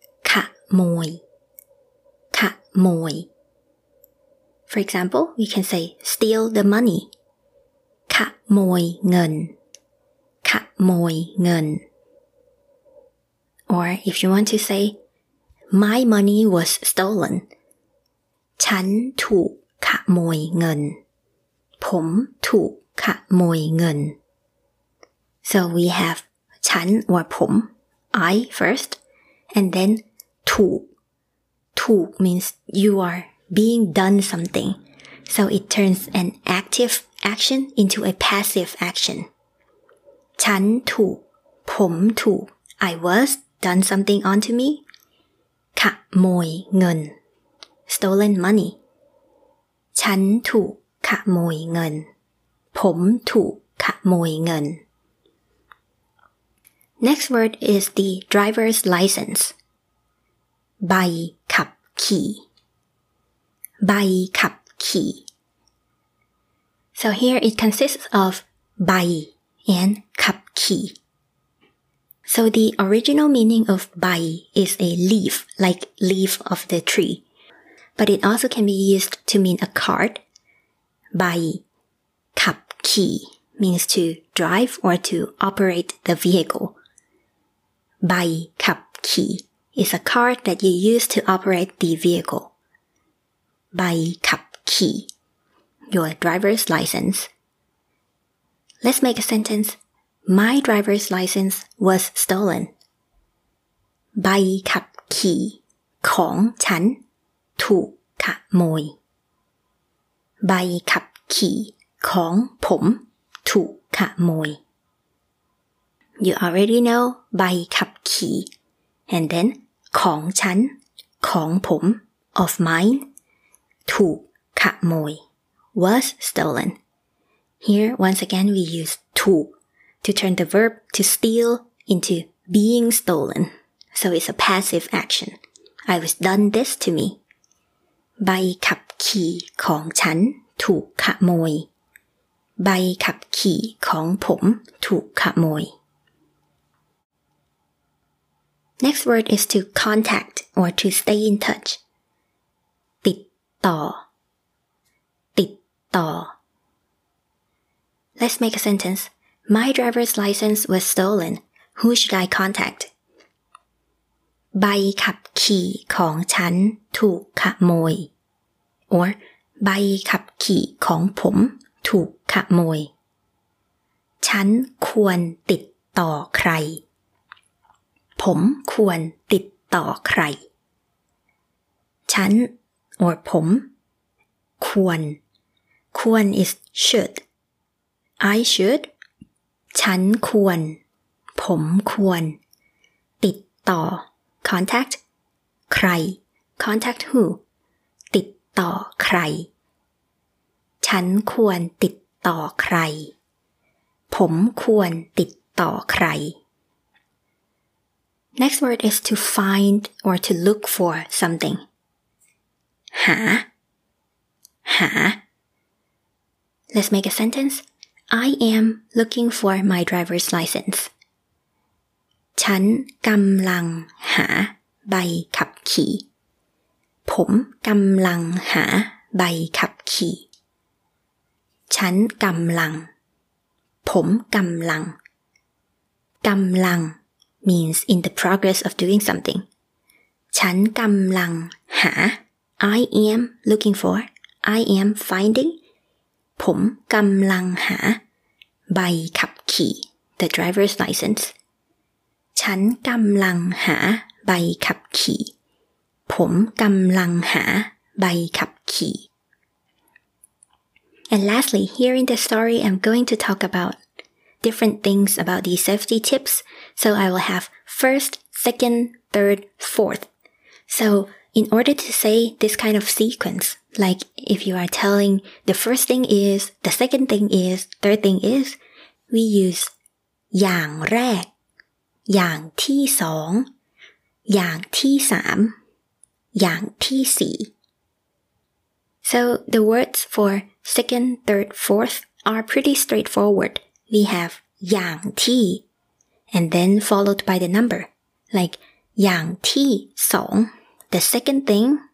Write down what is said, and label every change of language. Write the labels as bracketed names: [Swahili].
[Thai] ขโมยขโมย [English] For example, we can say steal the money. [Thai] ขโมยเงินขโมยเงิน [English] Or if you want to say my money was stolen. [Thai] ฉันถูกขโมยเงินผมถูกขโมยเงิน [English] So we have ฉัน or ผม I first and then ถูกถูก means you areBeing done something, so it turns an active action into a passive action. [Thai] ฉันถูกผมถูก [English] I was done something onto me. [Thai] ขโมยเงิน [English] stolen money. [Thai] ฉันถูกขโมยเงินผมถูกขโมยเงิน [English] Next word is the driver's license. [Thai] ใบขับขี่ใบขับขี่ [English] So here it consists of ใบ and ขับขี่So the original meaning of bai is a leaf, like leaf of the tree. But it also can be used to mean a cart. Bai kap ki means to drive or to operate the vehicle. Bai kap ki is a cart that you use to operate the vehicle. Bai kap ki, your driver's license. Let's make a sentence. My driver's license was stolen. [Thai] ใบขับขี่ของฉันถูกขโมยใบขับขี่ของผมถูกขโมย [English] You already know [Thai] ใบขับขี่ [English] and then [Thai] ของฉันของผม [English] of mine [Thai] ถูกขโมย [English] was stolen. Here once again we use ถูกto turn the verb to steal into being stolen. So it's a passive action. I was done this to me. [Thai] ใบขับขี่ของฉันถูกขโมยใบขับขี่ของผมถูกขโมย [English] Next word is to contact or to stay in touch. [Thai] ติดต่อติดต่อ [English] Let's make a sentenceMy driver's license was stolen. Who should I contact? [Thai] ใบขับขี่ของฉันถูกขโมย Or ใบขับขี่ของผมถูกขโมย ฉันควรติดต่อใครผมควรติดต่อใครฉัน or ผมควรควร [English] is should I should [Thai] ฉันควรผมควรติดต่อ [English] contact [Thai] ใคร [English] contact who [Thai] ติดต่อใครฉันควรติดต่อใครผมควรติดต่อใคร [English] Next word is to find or to look for something [Thai] หาหา [English] Let's make a sentenceI am looking for my driver's license. [Thai] ฉันกำลังหาใบขับขี่ผมกำลังหาใบขับขี่ฉันกำลังผมกำลังกำลัง [English] means in the progress of doing something. [Thai] ฉันกำลังหา [English] I am looking for, I am finding. [Thai] ผมกำลังหาใบขับขี่ [English] the driver's license [Thai] ฉันกำลังหาใบขับขี่ผมกำลังหาใบขับขี่ [English] And lastly, here in the story, I'm going to talk about different things about the safety tips. So I will have first, second, third, fourth. So in order to say this kind of sequence,Like if you are telling the first thing is, the second thing is, third thing is, we use [Thai] อย่างแรกอย่างที่สองอย่างที่สามอย่างที่สี่ [English] So the words for second, third, fourth are pretty straightforward. We have [Thai] อย่างที่ [English] and then followed by the number. Like [Thai] อย่างที่สอง [English] the second thing,